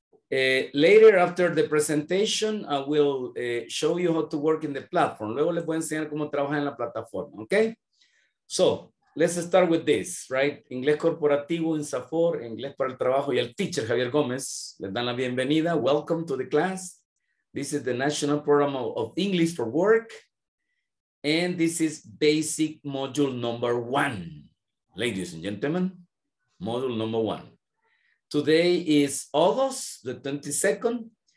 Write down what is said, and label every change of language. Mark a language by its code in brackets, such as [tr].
[en] Later after the presentation, I will show you how to work in the platform. [es] Luego les voy a enseñar cómo trabajar en la plataforma, okay? [en] So, let's start with this, right? [es] Inglés corporativo en Safor, inglés para el trabajo y el teacher Javier Gómez. Les dan la bienvenida. [en] Welcome to the class. This is the National Program of English for Work. And this is basic module number one. Ladies and gentlemen, module number one. Today is August the 22nd.